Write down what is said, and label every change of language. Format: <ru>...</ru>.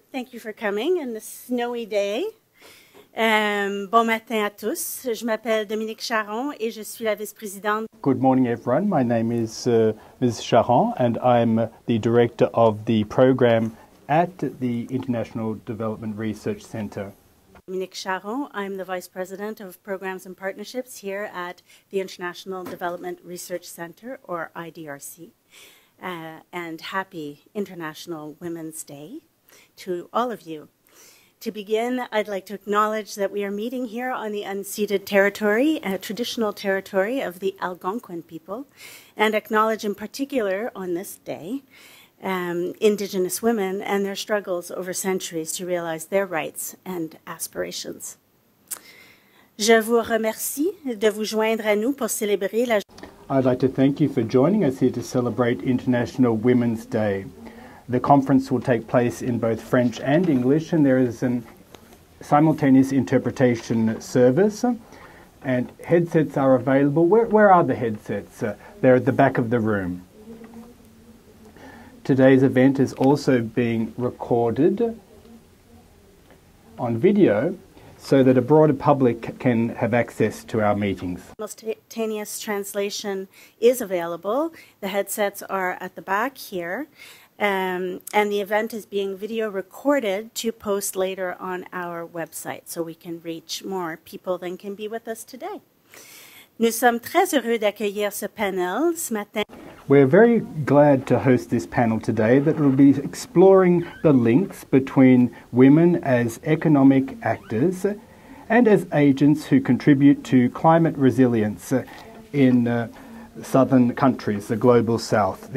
<en>Thank you for coming in this snowy day.</en> <fr>Bon matin à tous. Je m'appelle Dominique Charron et je suis la vice-présidente.</fr> <en>Good morning, everyone. My name is Ms. Charron and I'm the director of the program at the International Development Research Center. Dominique Charron, I'm the vice president of programs and partnerships here at the International Development Research Center, or IDRC. And happy International Women's Day to all of you. To begin, I'd like to acknowledge that we are meeting here on the unceded territory, traditional territory of the Algonquin people, and acknowledge in particular on this day Indigenous women and their struggles over centuries to realize their rights and aspirations.</en> <fr>Je vous remercie de vous joindre à nous pour célébrer la.</fr> <en>I'd like to thank you for joining us here to celebrate International Women's Day. The conference will take place in both French and English, and there is a simultaneous interpretation service, and headsets are available. Where are the headsets? They're at the back of the room. Today's event is also being recorded on video, so that a broader public can have access to our meetings. Simultaneous translation is available. The headsets are at the back here. And the event is being video recorded to post later on our website so we can reach more people than can be with us today.</en> <fr>Nous sommes très heureux d'accueillir ce panel ce matin.</fr> <en>We're very glad to host this panel today that will be exploring the links between women as economic actors and as agents who contribute to climate resilience in southern countries, the global south.</en>